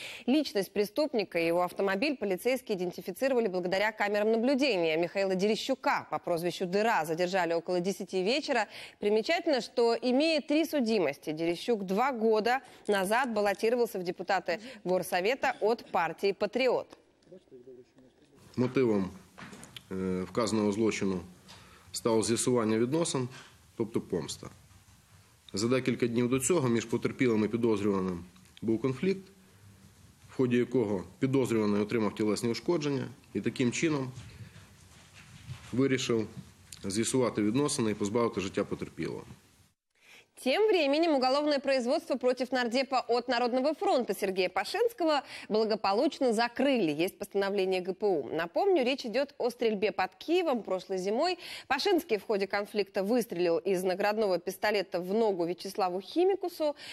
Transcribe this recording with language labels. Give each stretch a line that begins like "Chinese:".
Russian: Личность преступника и его автомобиль полицейские идентифицировали благодаря камерам наблюдения. Михаила Дерещука по прозвищу Дыра задержали около 10 вечера. Примечательно, что, имея 3 судимости, Дерещук 2 года назад баллотировался в депутаты Горсовета от партии «Патриот».
Ukrainian: Мотивом вказанного злочину стало з'ясування відносин, тобто помста. За декілька днів до цього між потерпілим і підозрюваним був конфлікт, в ході якого підозрюваний отримав тілесні ушкодження і таким чином вирішив з'ясувати відносини і позбавити життя потерпілого.
Russian: Тем временем уголовное производство против нардепа от Народного фронта Сергея Пашинского благополучно закрыли. Есть постановление ГПУ. Напомню, речь идет о стрельбе под Киевом прошлой зимой. Пашинский в ходе конфликта выстрелил из наградного пистолета в ногу Вячеславу Химикусу.